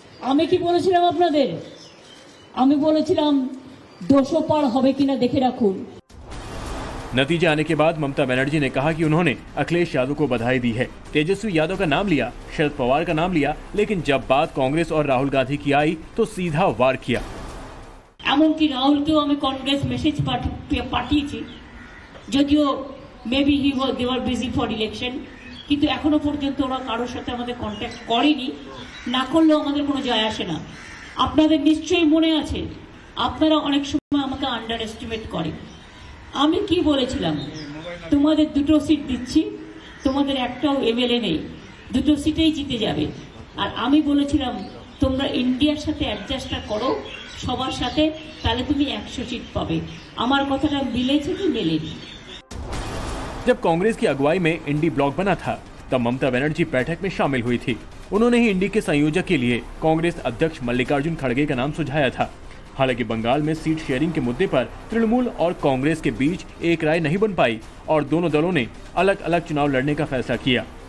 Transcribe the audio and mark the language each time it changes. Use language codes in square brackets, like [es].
[bn] আমি কি বলেছিলাম আপনাদের? আমি বলেছিলাম 200 পার হবে কিনা দেখে রাখুন। [hi] नतीजे आने के बाद ममता बनर्जी ने कहा कि उन्होंने अखिलेश यादव को बधाई दी है। तेजस्वी यादव का नाम लिया, शरद पवार का नाम लिया, लेकिन जब बात कांग्रेस और राहुल गांधी की आई तो सीधा वार किया। [bn] এমন কি রাহুলকেও আমি কংগ্রেস মেসেজ পাঠিয়েছি, যদিও [en] maybe he was they were busy for election, [bn] কিন্তু এখনো পর্যন্ত ওরা কারোর সাথে আমাদের কন্টাক্ট করেনি, না করলেও আমাদের কোনো জয় আসে না। আপনাদের নিশ্চয়ই মনে আছে, আপনারা অনেক সময় আমাকে আন্ডার এস্টিমেট করেন। আমি কি বলেছিলাম, তোমাদের দুটো সিট দিচ্ছি, তোমাদের একটাও এমএলএ নেই, দুটো সিটেই জিতে যাবে। আর আমি বলেছিলাম তোমরা ইন্ডিয়ার সাথে অ্যাডজাস্টটা করো সবার সাথে, তাহলে তুমি 100 সিট পাবে। আমার কথাটা মিলেছে কি মেলেনি? [hi] जब कांग्रेस की अगुवाई में इंडी ब्लॉक बना था, तब ममता बनर्जी बैठक में शामिल हुई थी। उन्होंने ही इंडी के संयोजक के लिए कांग्रेस अध्यक्ष मल्लिकार्जुन खड़गे का नाम सुझाया था। हालांकि बंगाल में सीट शेयरिंग के मुद्दे पर तृणमूल और कांग्रेस के बीच एक राय नहीं बन पाई और दोनों दलों ने अलग अलग चुनाव लड़ने का फैसला किया।